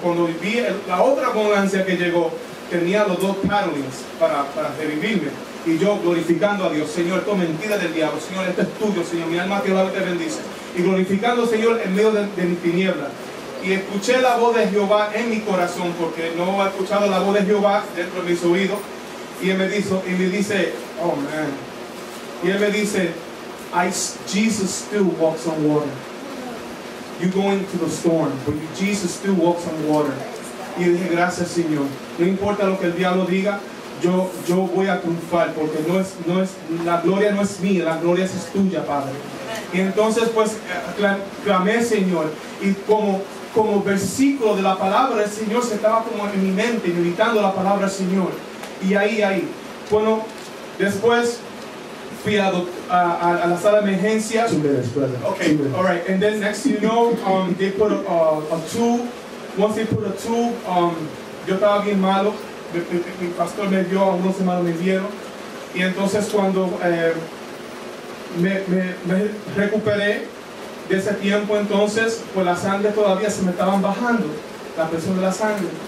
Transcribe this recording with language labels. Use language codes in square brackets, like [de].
[es] Cuando vi la otra ambulancia que llegó, tenía los dos paddlings para revivirme, y yo glorificando a Dios, Señor, esto es mentira del diablo, Señor, esto es tuyo, Señor, mi alma te alaba y te bendice, y glorificando al Señor en medio de mi tiniebla. Y escuché la voz de Jehová en mi corazón, porque no he escuchado la voz de Jehová dentro de mis oídos. Y él me dijo, y me dice, [en] oh man. [es] Y él me dice, [en] Jesus still walks on water. You go into the storm, but Jesus still walks on water. [es] Y dije, gracias, Señor. No importa lo que el diablo diga, yo voy a triunfar, porque no es la gloria no es mía, la gloria es tuya, Padre. Y entonces, pues, clamé, Señor, y como versículo de la palabra del Señor se estaba como en mi mente, meditando la palabra del Señor. Y ahí, bueno, después fui a la sala de emergencia. [en] 2 minutes, brother. Okay, all right. And then next thing you know, they put a tube. Once they put a tube, [es] yo estaba bien malo. Mi pastor me dio, algunos hermanos me dieron. Y entonces cuando me recuperé de ese tiempo, entonces, pues la sangre todavía se me estaban bajando, la presión de la sangre.